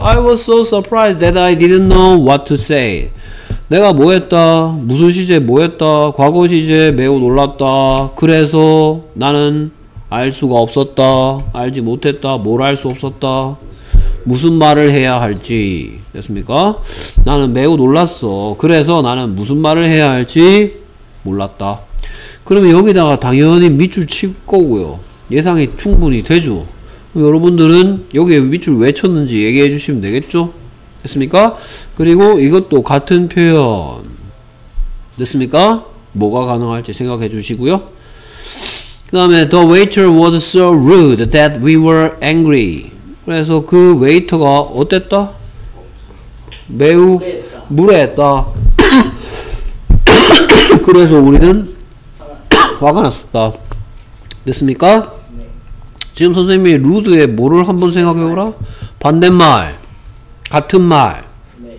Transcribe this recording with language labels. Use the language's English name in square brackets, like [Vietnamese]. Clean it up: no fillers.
[English] I was so surprised that I didn't know what to say. [Korean] 내가 뭐 했다? 무슨 시제 뭐 했다? 과거 시제 매우 놀랐다. 그래서 나는 알 수가 없었다. 알지 못했다. 뭘 알 수 없었다. 무슨 말을 해야 할지. 됐습니까? 나는 매우 놀랐어. 그래서 나는 무슨 말을 해야 할지 몰랐다. 그러면 여기다가 당연히 밑줄 칠 거고요. 예상이 충분히 되죠. 여러분들은 여기에 밑줄 왜 쳤는지 얘기해 주시면 되겠죠? 됐습니까? 그리고 이것도 같은 표현 됐습니까? 뭐가 가능할지 생각해 주시고요. 그 다음에 [English] The waiter was so rude that we were angry. [Korean] 그래서 그 웨이터가 어땠다? 매우 무례했다. 그래서 우리는 화가 났었다. 됐습니까? 지금 선생님이 루드에 뭐를 한번 생각해보라? 반대말, 같은 말, 네.